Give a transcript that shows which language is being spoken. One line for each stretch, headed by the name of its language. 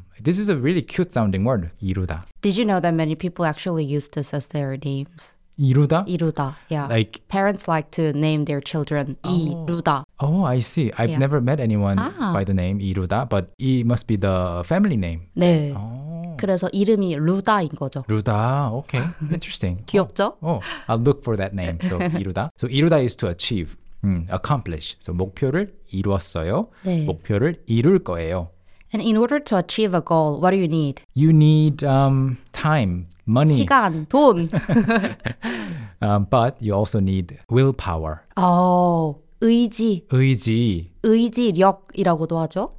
English: This is a really cute sounding word, 이루다. Did you know that many people actually use this as their names?
Korean: 이루다? 이루다, yeah.
English: Like, parents like to name their children 이루다. Oh, I see. I've never met anyone by the name 이루다, but 이 must be the family name.
Korean: 네. 그래서 이름이 루다인 거죠.
English: 루다, okay. Interesting.
Korean: 귀엽죠?
English: I'll look for that name, so 이루다. So 이루다 is to achieve, accomplish.
Korean: So 목표를 이루었어요. 네. 목표를 이룰 거예요.
English: And in order to achieve a goal, what do you need? You need time, money.
Korean: 시간, 돈.
English: but you also need willpower.
Korean: Oh, 의지. 의지. 의지력이라고도 하죠.